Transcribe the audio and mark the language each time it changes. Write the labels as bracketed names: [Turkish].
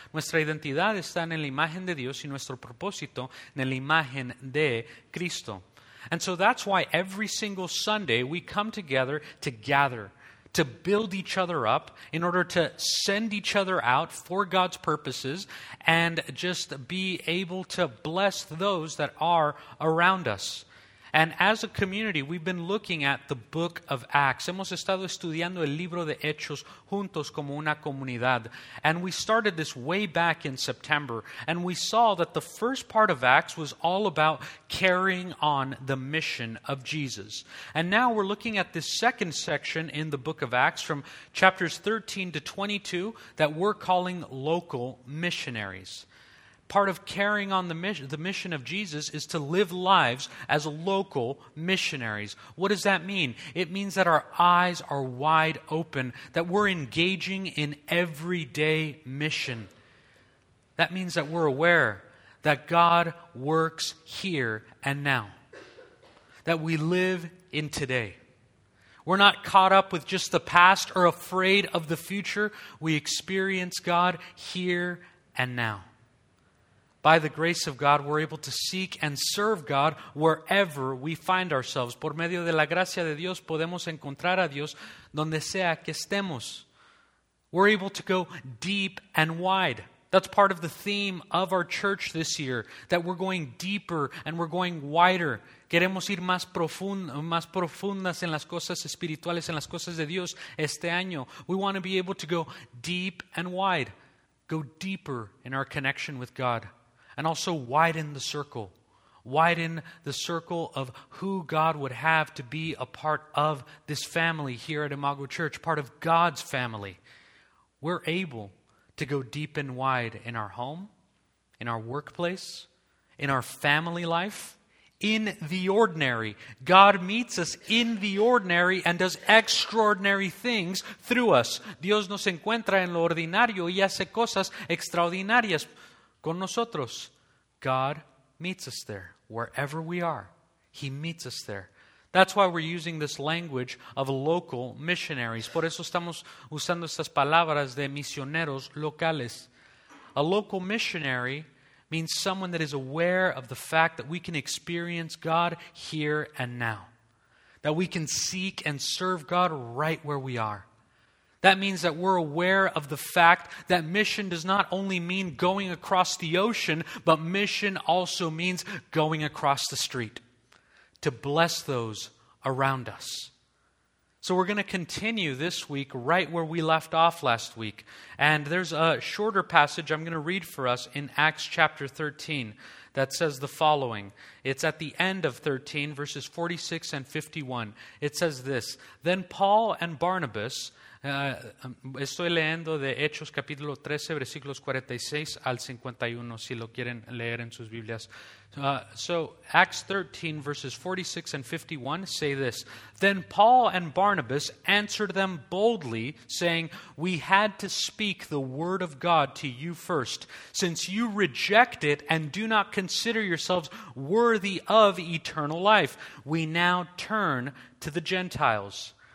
[Spanish] Nuestra identidad está en la imagen de Dios y nuestro propósito en la imagen de Cristo. [English] And so that's why every single Sunday we come together to gather, to build each other up, in order to send each other out for God's purposes, and just be able to bless those that are around us. And as a community, we've been looking at the book of Acts. [Spanish] Hemos estado estudiando el libro de Hechos juntos como una comunidad. [English] And we started this way back in September. And we saw that the first part of Acts was all about carrying on the mission of Jesus. And now we're looking at this second section in the book of Acts from chapters 13 to 22 that we're calling local missionaries. Part of carrying on the mission of Jesus is to live lives as local missionaries. What does that mean? It means that our eyes are wide open, that we're engaging in everyday mission. That means that we're aware that God works here and now, that we live in today. We're not caught up with just the past or afraid of the future. We experience God here and now. By the grace of God, we're able to seek and serve God wherever we find ourselves. [Spanish] Por medio de la gracia de Dios, podemos encontrar a Dios donde sea que estemos. [English] We're able to go deep and wide. That's part of the theme of our church this year, that we're going deeper and we're going wider. [Spanish] Queremos ir más profundas en las cosas espirituales, en las cosas de Dios este año. [English] We want to be able to go deep and wide, go deeper in our connection with God. And also widen the circle of who God would have to be a part of this family here at Imago Church, part of God's family. We're able to go deep and wide in our home, in our workplace, in our family life, in the ordinary. God meets us in the ordinary and does extraordinary things through us. [Spanish] Dios nos encuentra en lo ordinario y hace cosas extraordinarias con nosotros. [English] God meets us there, wherever we are. He meets us there. That's why we're using this language of local missionaries. [Spanish] Por eso estamos usando estas palabras de misioneros locales. [English] A local missionary means someone that is aware of the fact that we can experience God here and now. That we can seek and serve God right where we are. That means that we're aware of the fact that mission does not only mean going across the ocean, but mission also means going across the street to bless those around us. So we're going to continue this week right where we left off last week. And there's a shorter passage I'm going to read for us in Acts chapter 13 that says the following. It's at the end of 13, verses 46 and 51. It says this, "Then Paul and Barnabas..." [Spanish] Estoy leyendo de Hechos capítulo 13, versículos 46 al 51, si lo quieren leer en sus Biblias. [English] So Acts 13, verses 46 and 51 say this, "Then Paul and Barnabas answered them boldly, saying, 'We had to speak the word of God to you first. Since you reject it and do not consider yourselves worthy of eternal life, we now turn to the Gentiles.'"